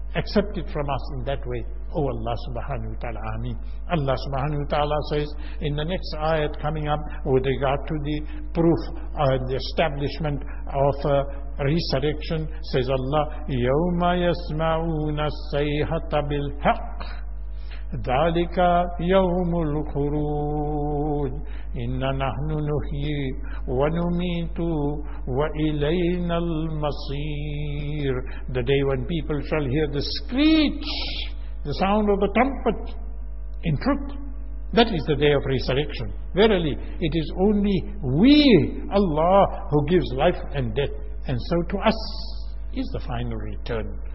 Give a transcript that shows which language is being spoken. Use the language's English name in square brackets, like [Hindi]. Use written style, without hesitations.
[English] Accept it from us in that way. Oh Allah subhanahu wa ta'ala, ameen. Allah subhanahu wa ta'ala says in the next ayat coming up with regard to the proof and the establishment of resurrection, says Allah, [Arabic] يَوْمَ يَسْمَعُونَ السَّيْحَةَ بِالْحَقِّ ذلك يوم الخروج إن نحن نحيي ونميت وإلينا المصير. [English] The day when people shall hear the screech, the sound of the trumpet, in truth, that is the day of resurrection. Verily, it is only we, Allah, who gives life and death. And so to us is the final return.